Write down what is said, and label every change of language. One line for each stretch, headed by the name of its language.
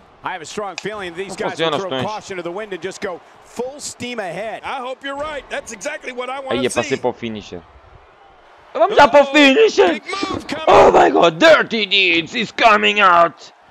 English: I have a strong feeling that these guys will throw caution to the wind and just go full steam ahead. I hope you're right. That's exactly what I want to see.
Portuguese: Aí, é passei para o finisher. Vamos lá para o finisher.
English: Oh, my God. Dirty Deeds is coming out.